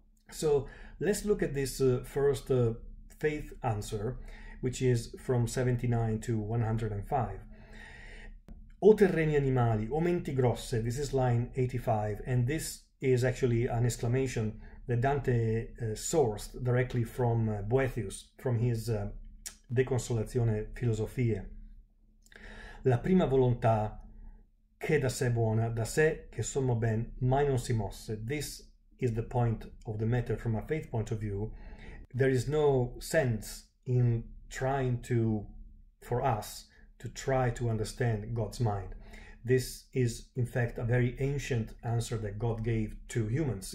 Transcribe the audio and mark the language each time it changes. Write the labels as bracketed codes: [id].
[en] So let's look at this first faith answer, which is from 79 to 105. [it] O terreni animali, o menti grosse, [en] this is line 85, and this is actually an exclamation that Dante sourced directly from Boethius, from his De Consolazione Philosophiae. [it] La prima volontà, che da sé buona, da sé che sommo ben, mai non si mosse. [en] This is the point of the matter from a faith point of view. There is no sense in trying to, for us, to try to understand God's mind. This is, in fact, a very ancient answer that God gave to humans.